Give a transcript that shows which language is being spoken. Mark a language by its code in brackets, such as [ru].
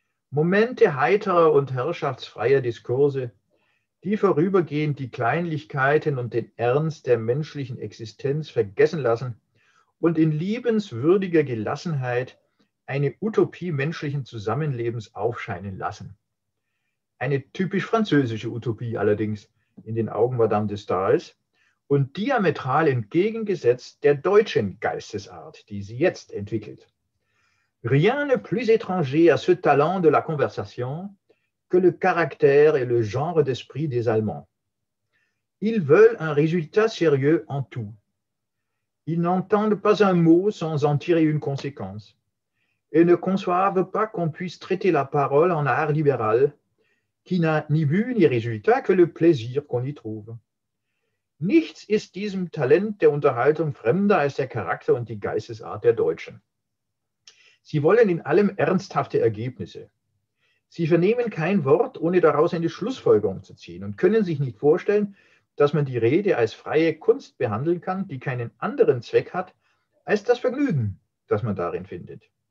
[de] Momente heiterer und herrschaftsfreier Diskurse, die vorübergehend die Kleinlichkeiten und den Ernst der menschlichen Existenz vergessen lassen und in liebenswürdiger Gelassenheit eine Utopie menschlichen Zusammenlebens aufscheinen lassen. Eine typisch französische Utopie allerdings in den Augen Madame de Staels und diametral entgegengesetzt der deutschen Geistesart, die sie jetzt entwickelt. [fr] Rien ne plus étranger à ce talent de la conversation que le caractère et le genre d'esprit des Allemands. Ils veulent un résultat sérieux en tout. Ils n'entendent pas un mot sans en tirer une conséquence et ne conçoivent pas qu'on puisse traiter la parole en art libéral qui n'a ni but ni résultat que le plaisir qu'on y trouve. [de] Nichts ist diesem Talent der Unterhaltung fremder als der Charakter und die Geistesart der Deutschen. Sie wollen in allem ernsthafte Ergebnisse. Sie vernehmen kein Wort, ohne daraus eine Schlussfolgerung zu ziehen und können sich nicht vorstellen, dass man die Rede als freie Kunst behandeln kann, die keinen anderen Zweck hat, als das Vergnügen, das man darin findet.